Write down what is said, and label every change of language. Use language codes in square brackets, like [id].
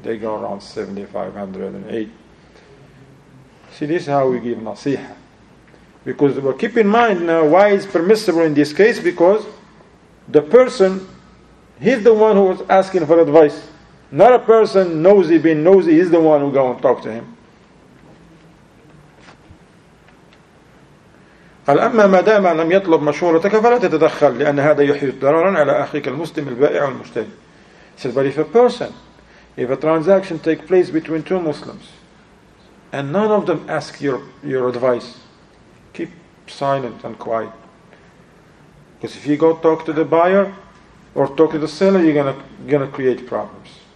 [en] They go around 7,508. See, this is how we give nasiha. Because, well, keep in mind now why it's permissible in this case, because the person, he's the one who was asking for advice. Not a person nosy, being nosy, is the one who go and talk to him. [ar] قال أما ما دام لم يطلب مشورتك فلا تتدخل لأن هذا يحيط ضررا على أخيك المسلم البائع والمشتري. [en] He says, but if a person, if a transaction take place between two Muslims and none of them ask your advice, keep silent and quiet. Because if you go talk to the buyer or talk to the seller, you're gonna create problems.